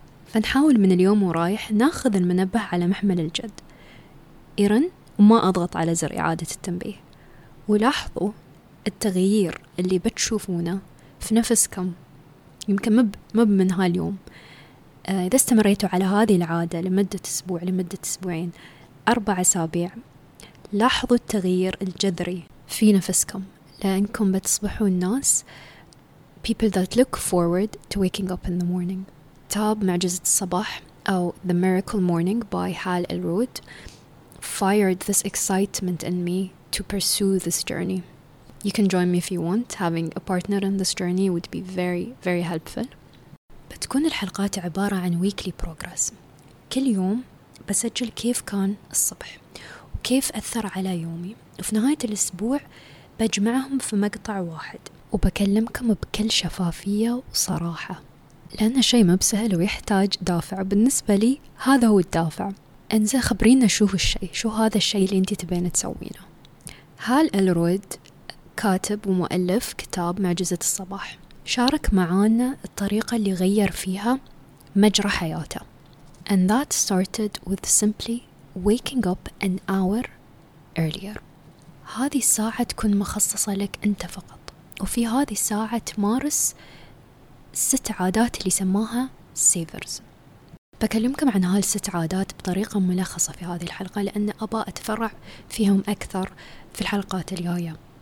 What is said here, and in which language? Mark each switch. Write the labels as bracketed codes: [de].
[ar] فنحاول من اليوم ورايح ناخذ المنبه على محمل الجد، إرن وما أضغط على زر إعادة التنبيه، ولاحظوا التغيير اللي بتشوفونه في نفسكم يمكن مب من هاليوم. إذا استمريتوا على هذه العادة لمدة أسبوع، لمدة أسبوعين، 4 أسابيع، لاحظوا التغيير الجذري في نفسكم، لأنكم بتصبحوا الناس [en] people that look forward to waking up in the morning. [ar] تاب معجزة الصباح أو [en] The Miracle Morning by Hal Elrod fired this excitement in me to pursue this journey. You can join me if you want. Having a partner in this journey would be very, very helpful. [ar] بتكون الحلقات عبارة عن [en] weekly progress. [ar] كل يوم بسجل كيف كان الصبح وكيف أثر على يومي، وفي نهاية الأسبوع بجمعهم في مقطع واحد وبكلمكم بكل شفافية وصراحة، لأن شيء ما بسهل ويحتاج دافع. بالنسبة لي هذا هو الدافع. انزل خبرينا شو هو الشيء، شو هذا الشيء اللي انت تبين تسوينه. هال ألرود كاتب ومؤلف كتاب معجزة الصباح، شارك معانا الطريقة اللي غير فيها مجرى حياته. [en] And that started with simply waking up an hour earlier. [ar] هذه الساعة تكون مخصصة لك انت فقط، وفي هذه الساعة تمارس 6 عادات اللي سماها سيفرز. بكلمكم عن هال6 عادات بطريقة ملخصة في هذه الحلقة، لأن أبا أتفرع فيهم أكثر في الحلقات الجاية.